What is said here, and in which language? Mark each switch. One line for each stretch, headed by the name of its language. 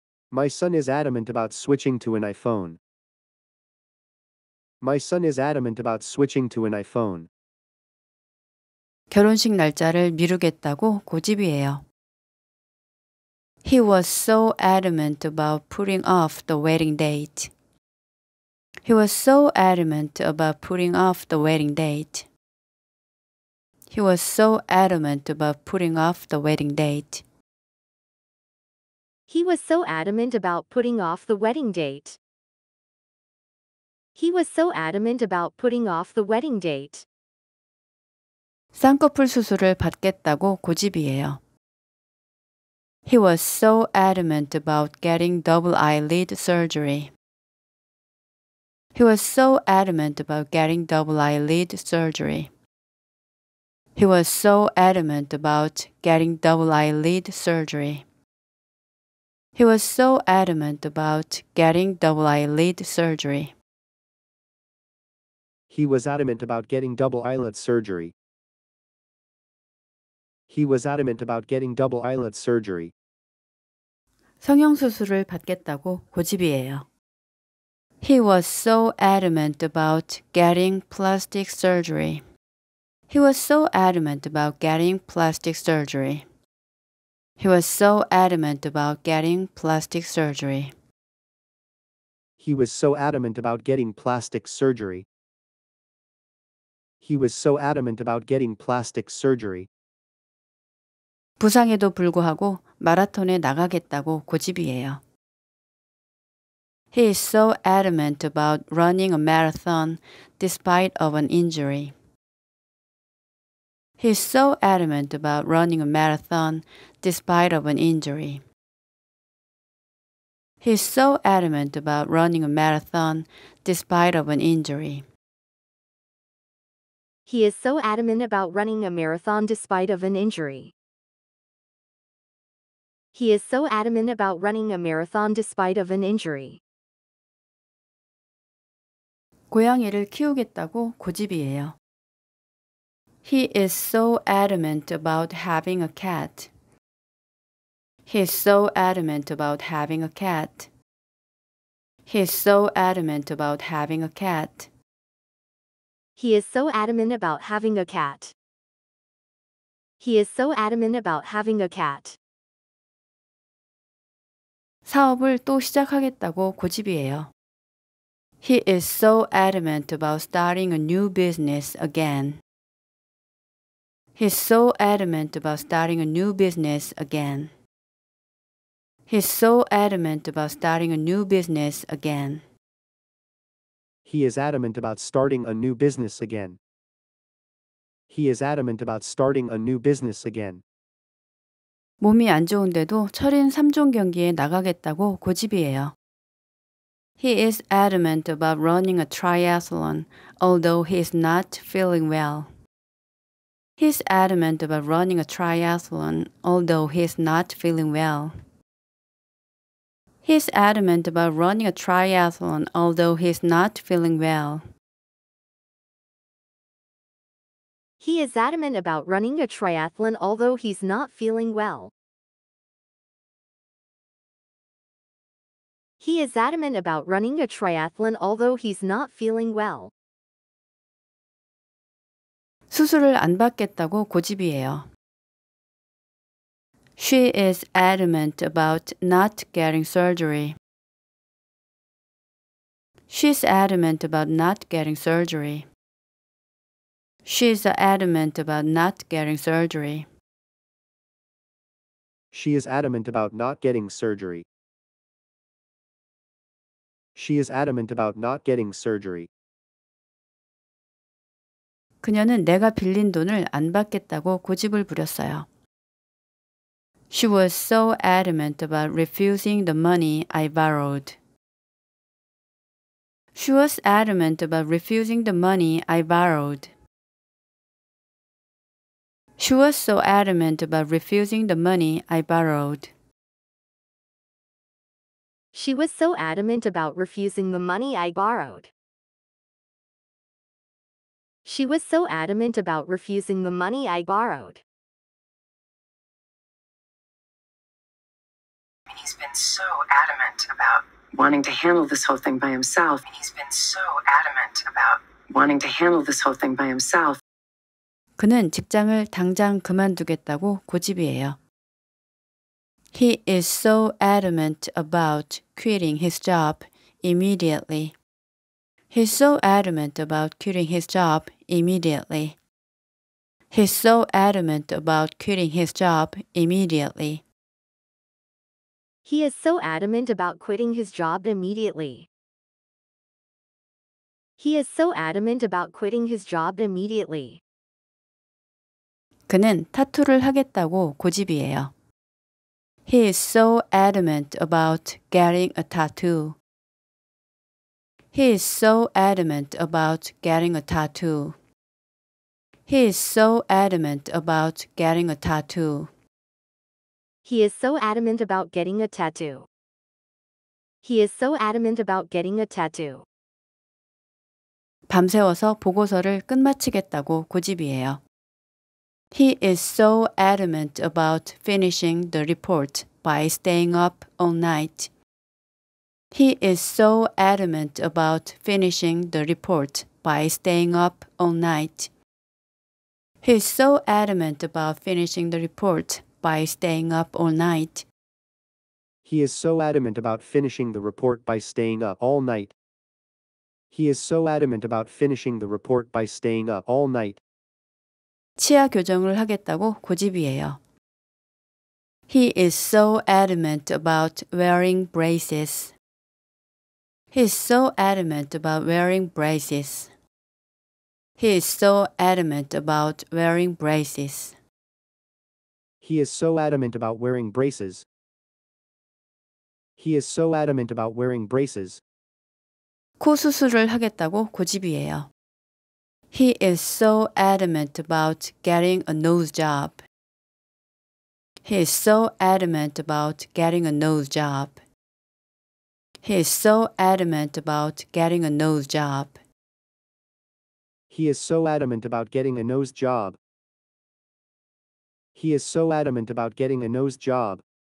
English: My son is adamant about switching to an iPhone. My son is adamant about switching to an iPhone.
Korean: 결혼식 날짜를 미루겠다고 고집이에요.
English: He was so adamant about putting off the wedding date. He was so adamant about putting off the wedding date. He was so adamant about putting off the wedding date. He was so adamant about putting off the wedding date. He was so adamant about putting off the wedding date.
Korean: 쌍꺼풀 수술을 받겠다고 고집이에요.
English: He was so adamant about getting double eyelid surgery. He was so adamant about getting double eyelid surgery. He was so adamant about getting double eyelid surgery. He was so adamant about getting double eyelid surgery. He was adamant about getting double eyelid surgery. He was adamant about getting double eyelid surgery.
Korean: 성형 수술을 받겠다고 고집이에요.
English: He was so adamant about getting plastic surgery. He was so adamant about getting plastic surgery. He was so adamant about getting plastic surgery. He was so adamant about getting plastic surgery. He was so adamant about getting plastic surgery.
Korean: 부상에도 불구하고 마라톤에 나가겠다고 고집이에요.
English: He is so adamant about running a marathon despite of an injury. He is so adamant about running a marathon despite of an injury. He is so adamant about running a marathon despite of an injury. He is so adamant about running a marathon despite of an injury. He is so adamant about running a marathon despite of an injury.
Korean: 고양이를 키우겠다고 고집이에요.
English: He is so adamant about having a cat. He is so adamant about having a cat. He is so adamant about having a cat. He is so adamant about having a cat. He is so adamant about having a cat.
Korean: 사업을 또 시작하겠다고 고집이에요.
English: He is so adamant about starting a new business again. He is so adamant about starting a new business again. He's so adamant about starting a new business again. He is adamant about starting a new business again. He is adamant about starting a new business again.
Korean: 몸이 안 좋은데도 철인 3종 경기에 나가겠다고 고집이에요.
English: He is adamant about running a triathlon, although he is not feeling well. He's adamant about running a triathlon, although he is not feeling well. He's adamant about running a triathlon, although he is not feeling well. He is adamant about running a triathlon, although he's not feeling well. He is adamant about running a triathlon, although he's not feeling well.
Korean: 수술을 안 받겠다고 고집이에요.
English: She is adamant about not getting surgery. She's adamant about not getting surgery. She's adamant about not getting surgery. She is adamant about not getting surgery. She is adamant about not getting surgery.
Korean: 그녀는 내가 빌린 돈을 안 받겠다고 고집을 부렸어요.
English: She was so adamant about refusing the money I borrowed. She was adamant about refusing the money I borrowed. She was so adamant about refusing the money I borrowed. She was so adamant about refusing the money I borrowed. She was so adamant about refusing the money I borrowed. He's been so adamant about wanting to handle this whole thing by himself. He's been so adamant about wanting to handle this whole thing by himself.
Korean: 그는 직장을 당장 그만두겠다고 고집이에요.
English: He is so adamant about quitting his job immediately. He's so adamant about quitting his job immediately. He's so adamant about quitting his job immediately. He is so adamant about quitting his job immediately. He is so adamant about quitting his job immediately.
Korean: 그는 타투를 하겠다고 고집이에요.
English: He is so adamant about getting a tattoo. He is so adamant about getting a tattoo. He is so adamant about getting a tattoo. He is so adamant about getting a tattoo. He is so adamant about getting a tattoo.
Korean: 밤새워서 보고서를 끝마치겠다고 고집이에요.
English: He is so adamant about finishing the report by staying up all night. He is so adamant about finishing the report by staying up all night. He is so adamant about finishing the report by staying up all night. He is so adamant about finishing the report by staying up all night. He is so adamant about finishing the report by staying up all night.
Korean: 치아 교정을 하겠다고 고집이에요.
English: He is so adamant about wearing braces. He is so adamant about wearing braces. He is so adamant about wearing braces. He is so adamant about wearing braces. He is so adamant about wearing braces.
Korean: 코 수술을 하겠다고 고집이에요.
English: He is so adamant about getting a nose job. He is so adamant about getting a nose job. He is so adamant about getting a nose job. He is so adamant about getting a nose job. He is so adamant about getting a nose job.